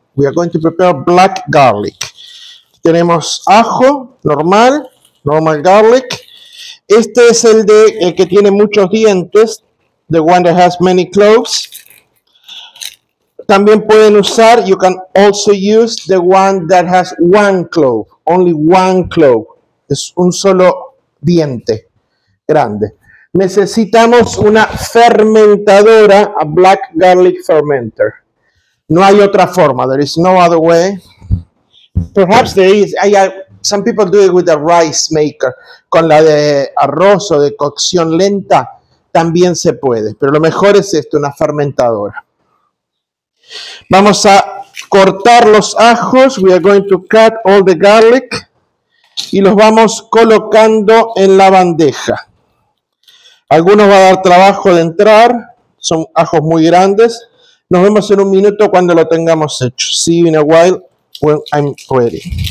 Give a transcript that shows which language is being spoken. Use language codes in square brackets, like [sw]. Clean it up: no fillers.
[en] We are going to prepare black garlic. [es] Tenemos ajo normal, [en] normal garlic. [es] Este es el de el que tiene muchos dientes, [en] the one that has many cloves. [es] También pueden usar, [en] you can also use the one that has one clove, only one clove. [es] Es un solo diente grande. Necesitamos una fermentadora, [en] a black garlic fermenter. [es] No hay otra forma. [en] There is no other way. Perhaps there is. Some people do it with a rice maker. [es] Con la de arroz o de cocción lenta también se puede. Pero lo mejor es esto, una fermentadora. Vamos a cortar los ajos. [en] We are going to cut all the garlic. [es] Y los vamos colocando en la bandeja. Algunos va a dar trabajo de entrar, son ajos muy grandes. Nos vemos en un minuto cuando lo tengamos hecho. [en] See you in a while when I'm ready.